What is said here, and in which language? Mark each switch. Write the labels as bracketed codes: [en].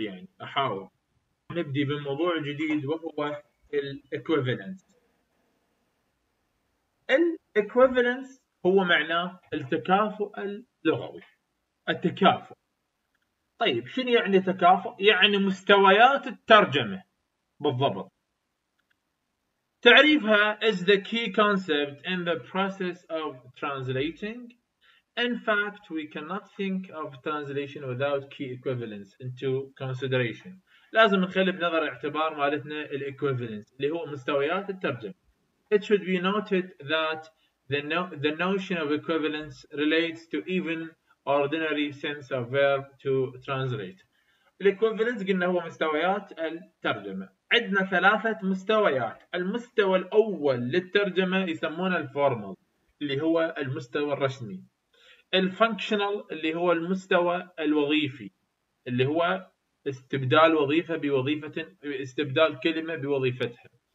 [ar] يعني احاول نبدي بموضوع جديد وهو الاكويفالنس. الاكويفالنس هو معناه التكافؤ اللغوي، التكافؤ. طيب شنو يعني تكافؤ؟ يعني مستويات الترجمة بالضبط. تعريفها [en] is the key concept in the process of translating. In fact, we cannot think of translation without key equivalence into consideration. [ar] لازم نخلي بنظر الاعتبار مالتنا الـ equivalence اللي هو مستويات الترجمة. [en] It should be noted that the notion of equivalence relates to even ordinary sense of verb to translate. [ar] الإكويفالنس قلنا هو مستويات الترجمة. عندنا ثلاثة مستويات. المستوى الأول للترجمة يسمونه الفورمال اللي هو المستوى الرسمي. الفانكشنال اللي هو المستوى الوظيفي اللي هو استبدال وظيفة بوظيفة، استبدال كلمة بوظيفتها.